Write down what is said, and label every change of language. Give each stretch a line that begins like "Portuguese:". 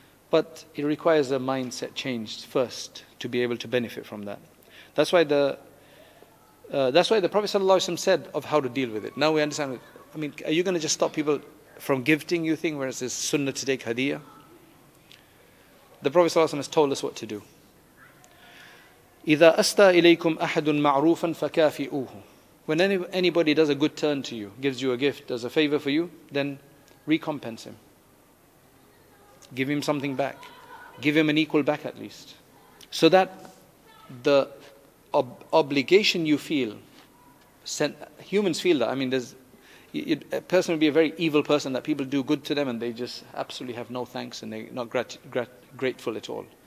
English: But it requires a mindset change first to be able to benefit from that. That's why the That's why the Prophet ﷺ said of how to deal with it. Now we understand. I mean, are you going to just stop people from gifting you things where it says sunnah to take hadiyah? The Prophet ﷺ has told us what to do.
Arabic: إِذَا أَسْتَى إِلَيْكُمْ أَحَدٌ مَعْرُوفًا فَكَافِئُوهُ.
English: When anybody does a good turn to you, gives you a gift, does a favor for you, then recompense him. Give him something back. Give him an equal back at least. So that the obligation you feel, humans feel that. I mean, a person would be a very evil person that people do good to them and they just absolutely have no thanks and they're not grateful at all.